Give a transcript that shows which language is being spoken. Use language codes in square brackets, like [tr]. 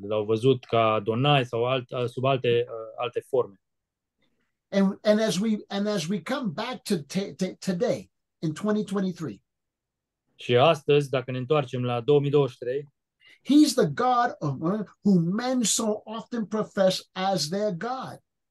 [ro] L-au văzut ca Adonai sau sub alte, alte forme. [en] And as we come back to today, in 2023. [ro] Și astăzi, dacă ne întoarcem la 2023, [en] He's the God who men so often profess as their God.